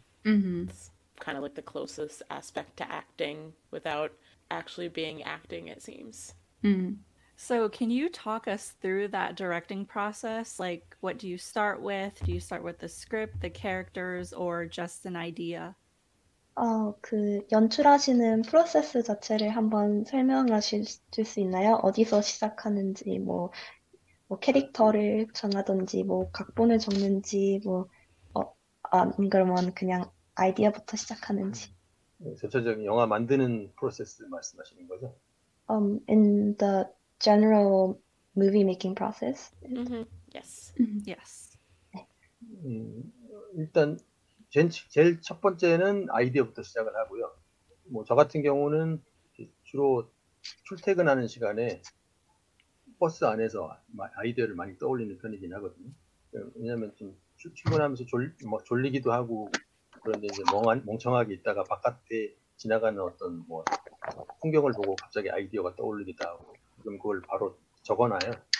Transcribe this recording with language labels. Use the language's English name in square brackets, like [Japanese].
[English] It's kind of like the closest aspect to acting without actually being acting, it seems. So can you talk us through that directing process? Like, what do you start with? Do you start with the script, the characters, or just an idea? [Korean] 그 연출하시는 프로세스 자체를 한번 설명하실 수 있나요? 어디서 시작하는지, 뭐 캐릭터를 정하든지, 뭐 각본을 적는지, 그러면 그냥 아이디어부터 시작하는지. 전체적인 영화 만드는 프로세스 말씀하시는 거죠? [English] In the general movie making process. Yes. Yes. [Korean] 일단 제일 첫 번째는 아이디어부터 시작을 하고요. 뭐 저 같은 경우는 주로 출퇴근하는 시간에 버스 안에서 아이디어를 많이 떠올리는 편이긴 하거든요. 왜냐하면 좀 출근하면서 졸리기도 하고 그런데 이제 멍청하게 있다가 바깥에 지나가는 어떤 뭐 풍경을 보고 갑자기 아이디어가 떠올리기도 하고 그럼 그걸 바로 적어놔요.